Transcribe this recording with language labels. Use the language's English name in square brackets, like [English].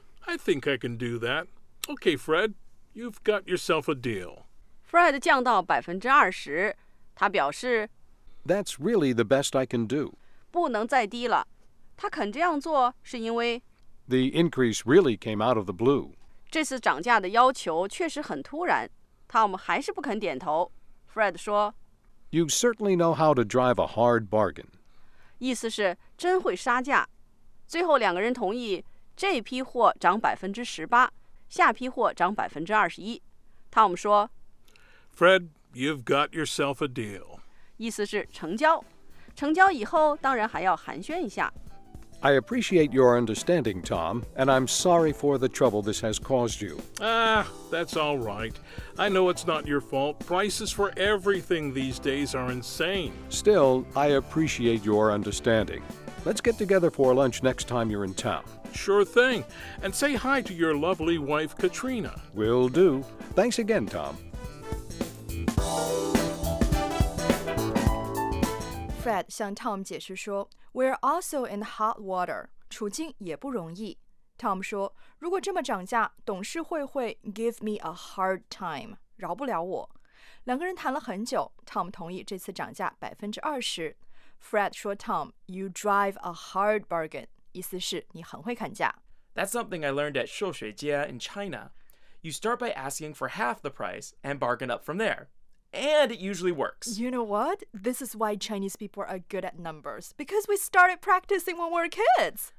[English] I think I can do that. Okay, Fred, you've got yourself a deal. [Chinese] Fred 降到20%，他表示 [English] That's really the best I can do. [Chinese] 不能再低了。他肯这样做是因为 [English] The increase really came out of the blue. [Chinese] 这次涨价的要求确实很突然。 Tom 还是不肯点头。Fred 说 [English] You certainly know how to drive a hard bargain. [Chinese] 意思是真会杀价。最后两个人同意这批货涨18%，下批货涨21%。 Tom 说 [English] ，Fred, you've got yourself a deal. [Chinese] 意思是成交。成交以后，当然还要寒暄一下。 [English] I appreciate your understanding, Tom, and I'm sorry for the trouble this has caused you. That's all right. I know it's not your fault. Prices for everything these days are insane. Still, I appreciate your understanding. Let's get together for lunch next time you're in town. Sure thing. And say hi to your lovely wife, Katrina. Will do. Thanks again, Tom. Fred [Chinese] 向 Tom 解释说 [English] ,We're also in hot water. [Chinese] 处境也不容易。Tom 说如果这么涨价董事会会 [English] give me a hard time, [Chinese] 饶不了我。两个人谈了很久 ,Tom 同意这次涨价20%。 [English] Fred [Chinese] 说 [English] Tom, you drive a hard bargain. [Chinese] 意思是你很会砍价。 [English] That's something I learned at 秀水街 in China. You start by asking for half the price and bargain up from there. And it usually works. You know what? This is why Chinese people are good at numbers. Because we started practicing when we were kids.